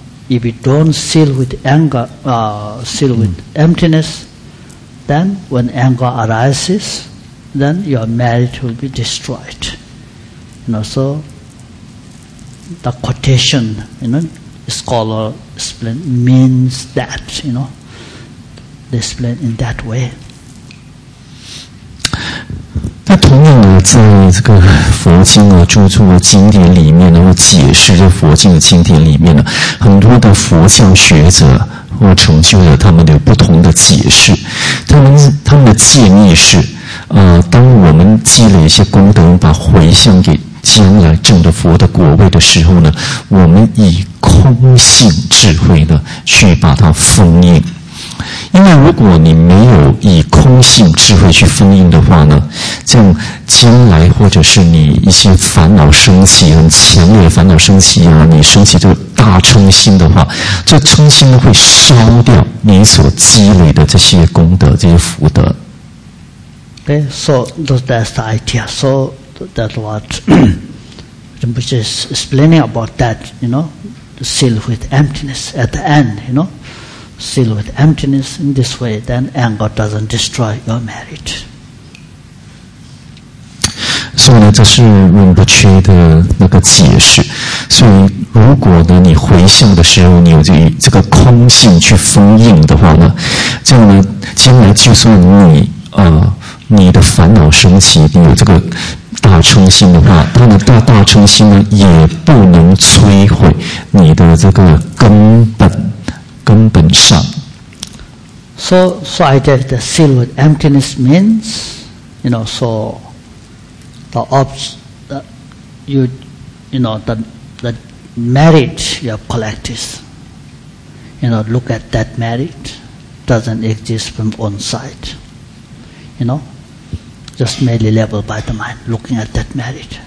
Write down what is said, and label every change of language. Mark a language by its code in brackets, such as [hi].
[en] If you don't seal with anger, seal with emptiness, then when anger arises, then your merit will be destroyed. You know, so the quotation, you know, scholar explain means that, you know, they explain in that way. [zh] 那同样的，在这个佛经啊、诸处的经典里面，然后解释这佛经的经典里面呢，很多的佛教学者或成就者，他们有不同的解释。他们的建议是，当我们积累一些功德，把回向给将来证得佛的果位的时候呢，我们以空性智慧呢，去把它封印。因为如果你没有以空性智慧去封印的话呢，这样将来或者是你一些烦恼升起，很强烈的烦恼升起啊，你升起这个大嗔心的话，这嗔心会烧掉你所积累的这些功德、这些福德。 [en] Okay, so that's the idea. So that's what Rinpoche is explaining about that, you know, seal with emptiness at the end, you know. Seal with emptiness in this way, then anger doesn't destroy your merit. [zh] So, 呢，这是润不缺的那个解释。所以，如果呢，你回向的时候，你有这个空性去封印的话呢，这样呢，将来就算你的烦恼升起，你有这个大乘心的话，它的大乘心呢，也不能摧毁你的这个根本。根本上 [en] So I guess the seal with emptiness means, you know, so the the merit you have collected, you know, look at that merit, doesn't exist from one side, you know, just merely leveled by the mind, looking at that merit.